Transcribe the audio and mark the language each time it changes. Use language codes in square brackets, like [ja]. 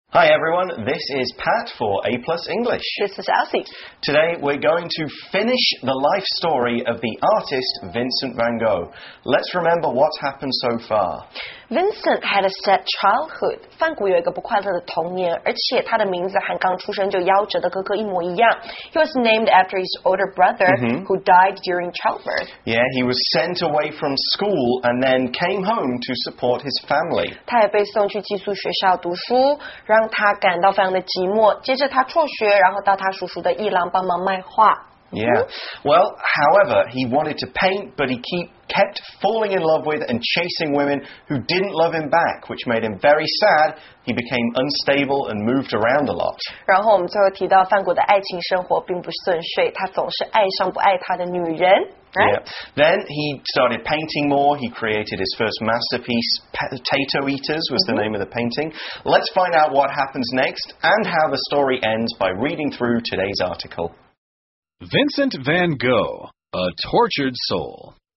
[en] Hi everyone, this is Pat for A Plus English. This is Elsie. Today we're going to finish the life story of the artist Vincent van Gogh. Let's remember what's happened so far. Vincent had a sad childhood. [zh] 梵谷有一个不快乐的童年，而且他的名字和刚出生就夭折的哥哥一模一样。 [en] He was named after his older brother, who died during childbirth. Yeah, he was sent away from school and then came home to support his family. [zh] 他也被送去寄宿学校读书，让他感到非常的寂寞。接着他辍学，然后到他叔叔的艺廊帮忙卖画。 [en] Yeah. Well, however, he wanted to paint, but he kept falling in love with and chasing women who didn't love him back, which made him very sad. He became unstable and moved around a lot. [zh] 然后我们最后提到梵谷的爱情生活并不顺遂，他总是爱上不爱他的女人。 [en] Right? Yeah. Then he started painting more. He created his first masterpiece, Potato Eaters was the name of the painting. Let's find out what happens next and how the story ends by reading through today's article. Vincent van Gogh, A Tortured Soul.